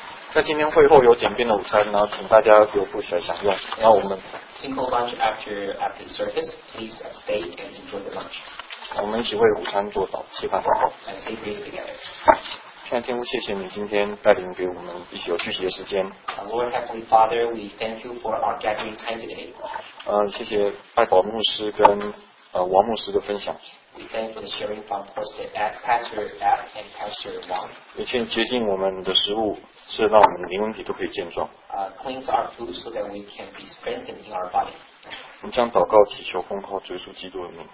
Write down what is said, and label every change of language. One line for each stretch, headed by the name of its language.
Chinese: 在今天会后有简便的午餐，然后请大家有福起来享用。那我们
English: simple lunch after service, please stay and enjoy the lunch.
Chinese: 我们一起为午餐做祷祈祷。
English: Let's say grace together.
Chinese: 亲爱的天父，谢谢你今天带领给我们一起有聚集的时间。
English: Lord Heavenly Father, we thank you for our gathering time today.
Chinese: 谢谢拜宝牧师跟王牧师的分享。
English: We thank for the sharing from Pastor Ed and Pastor Wang.
Chinese: 也请洁净我们的食物。是让我们灵魂体都可以健壮。
English: Cleanse our food so that we can be strengthened in our body.
Chinese: 我们将祷告祈求奉靠主耶稣基督的名。